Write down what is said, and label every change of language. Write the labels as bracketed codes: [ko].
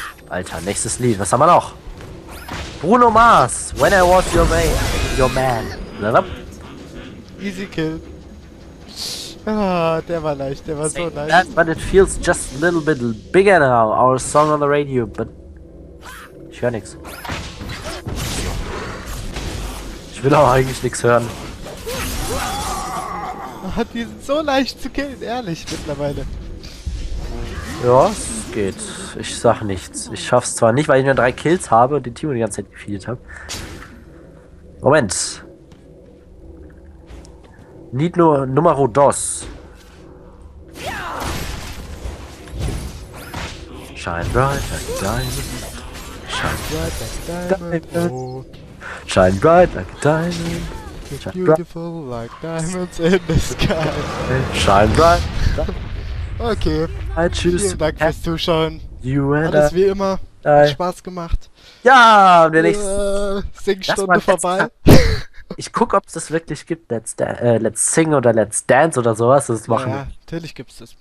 [de] Alter, nächstes Lied, was haben wir noch? [en] Bruno Mars, when I was your man. Your man. Easy kill. [de] Ah, der war leicht, der war so leicht. [en] That, but it feels just a little bit bigger now, our song on the radio, but... [de] Ich höre nichts. Ich will auch eigentlich nichts hören. Ah, die sind so leicht zu killen, ehrlich, mittlerweile. Ja, es geht. Ich sag nichts. Ich schaff's zwar nicht, weil ich nur 3 Kills habe und den Timo die ganze Zeit gefeedet hab. Moment. Nicht nur [es] Numero Dos. [en] Shine bright like a diamond. Shine bright like a diamond. Shine bright like a diamond. Shine beautiful like diamonds in the sky. Shine bright. Okay. I choose. [de] Vielen Dank fürs Zuschauen. [en] You and [de] alles wie immer. Hat Spaß gemacht. Ja, und der nächste Singstunde vorbei. ich guck, ob es das wirklich gibt. Let's Sing oder Let's Dance oder sowas. Das machen. Ja, natürlich gibt's das.